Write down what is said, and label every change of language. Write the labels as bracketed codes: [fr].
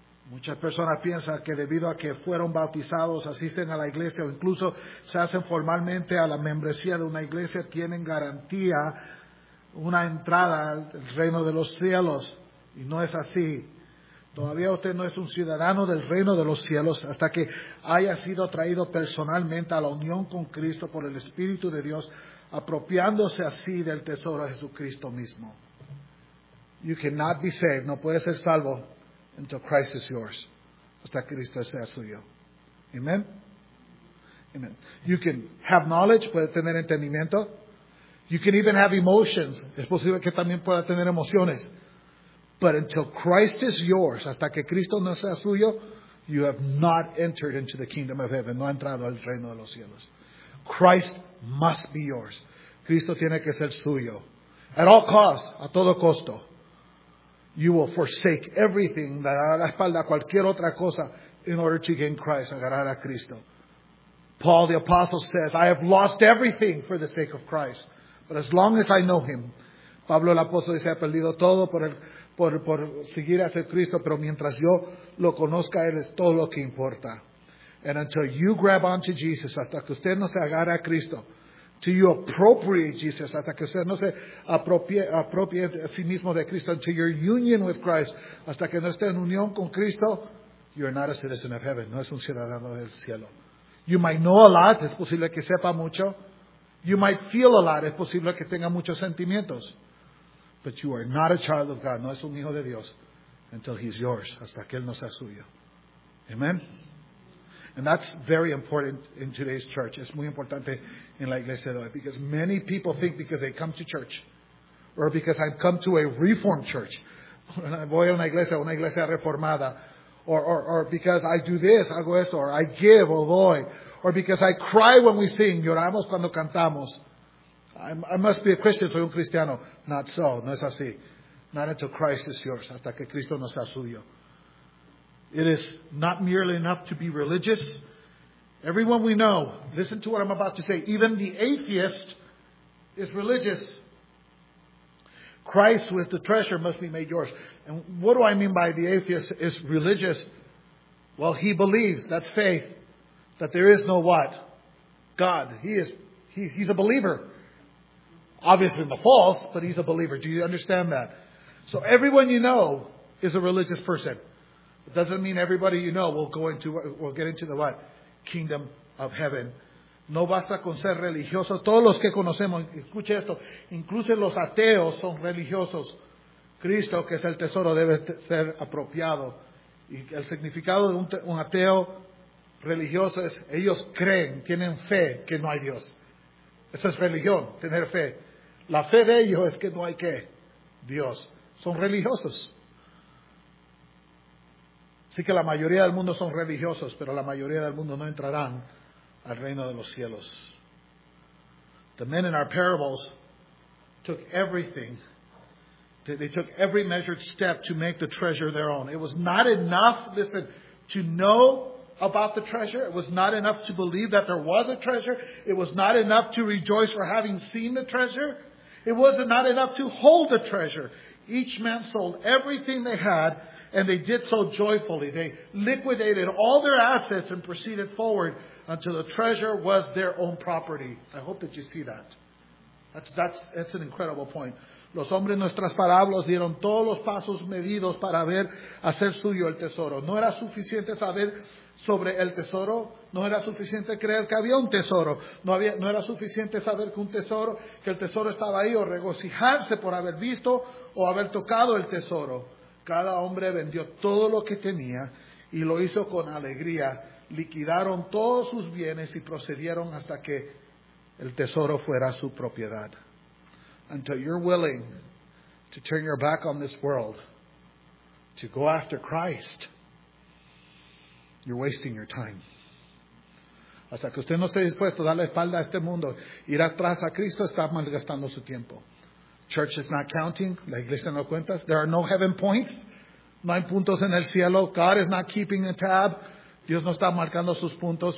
[es] Muchas personas piensan que debido a que fueron bautizados, asisten a la iglesia o incluso se hacen formalmente a la membresía de una iglesia, tienen garantía una entrada al reino de los cielos. Y no es así. Todavía usted no es un ciudadano del reino de los cielos hasta que haya sido traído personalmente a la unión con Cristo por el Espíritu de Dios, apropiándose así del tesoro de Jesucristo mismo. [en] You cannot be saved. [es] No puede ser salvo. [en] Until Christ is yours. [es] Hasta Cristo sea suyo. Amen? Amen. [en] You can have knowledge. [es] Puede tener entendimiento. [en] You can even have emotions. [es] Es posible que también pueda tener emociones. [en] But until Christ is yours, [es] hasta que Cristo no sea suyo, [en] you have not entered into the kingdom of heaven. [es] No ha entrado al reino de los cielos. [en] Christ must be yours. [es] Cristo tiene que ser suyo. [en] At all costs. [es] A todo costo. [en] You will forsake everything, [es] dar a la espalda cualquier otra cosa, [en] in order to gain Christ, [es] agarrar a Cristo. [en] Paul the Apostle says, I have lost everything for the sake of Christ, but as long as I know him. [es] Pablo el Apóstol dice, he perdido todo por seguir a Cristo, pero mientras yo lo conozca, él es todo lo que importa. [en] And until you grab onto Jesus, [es] hasta que usted no se agarre a Cristo, [en] till you appropriate Jesus, [es] hasta que usted no se apropie a sí mismo de Cristo, [en] until your union with Christ, [es] hasta que no esté en unión con Cristo, [en] you are not a citizen of heaven. [es] No es un ciudadano del cielo. [en] You might know a lot. [es] Es posible que sepa mucho. [en] You might feel a lot. [es] Es posible que tenga muchos sentimientos. [en] But you are not a child of God. [es] No es un hijo de Dios. [en] Until he's yours. [es] Hasta que él no sea suyo. Amen. [en] And that's very important in today's church. [es] Es muy importante en la iglesia de hoy. [en] Because many people think because they come to church or because I've come to a reformed church. [es] Voy a una iglesia reformada. [en] Or because I do this, [es] hago esto. [en] Or I give, [es] o doy. [en] Or because I cry when we sing. [es] Lloramos cuando cantamos. [en] I must be a Christian, [es] soy un cristiano. [en] Not so. [es] No es así. [en] Not until Christ is yours. [es] Hasta que Cristo no sea suyo. [en] It is not merely enough to be religious. Everyone we know, listen to what I'm about to say. Even the atheist is religious. Christ with the treasure must be made yours. And what do I mean by the atheist is religious? Well, he believes, that's faith, that there is no what? God. He's a believer. Obviously in the false, but he's a believer. Do you understand that? So everyone you know is a religious person. It doesn't mean everybody you know will get into the what? Kingdom of heaven. [es] No basta con ser religioso. Todos los que conocemos, escuche esto, incluso los ateos son religiosos. Cristo, que es el tesoro, debe ser apropiado. Y el significado de un ateo religioso es, ellos creen, tienen fe que no hay Dios. Esa es religión, tener fe. La fe de ellos es que no hay qué, Dios. Son religiosos. Así que la mayoría del mundo son religiosos, pero la mayoría del mundo no entrarán al reino de los cielos. [en] The men in our parables took everything. They took every measured step to make the treasure their own. It was not enough, listen, to know about the treasure. It was not enough to believe that there was a treasure. It was not enough to rejoice for having seen the treasure. It was not enough to hold the treasure. Each man sold everything they had. And they did so joyfully. They liquidated all their assets and proceeded forward until the treasure was their own property. I hope that you see that. That's an incredible point. [es] Los hombres en nuestras parábolas dieron todos los pasos medidos para ver hacer suyo el tesoro. No era suficiente saber sobre el tesoro. No era suficiente creer que había un tesoro. No era suficiente saber que el tesoro estaba ahí o regocijarse por haber visto o haber tocado el tesoro. Cada hombre vendió todo lo que tenía y lo hizo con alegría. Liquidaron todos sus bienes y procedieron hasta que el tesoro fuera su propiedad. [en] Until you're willing to turn your back on this world, to go after Christ, you're wasting your time. [es] Hasta que usted no esté dispuesto a darle espalda a este mundo, ir atrás a Cristo, está malgastando su tiempo. [en] Church is not counting. [es] La iglesia no cuenta. [en] There are no heaven points. [es] No hay puntos en el cielo. [en] God is not keeping a tab. [es] Dios no está marcando sus puntos.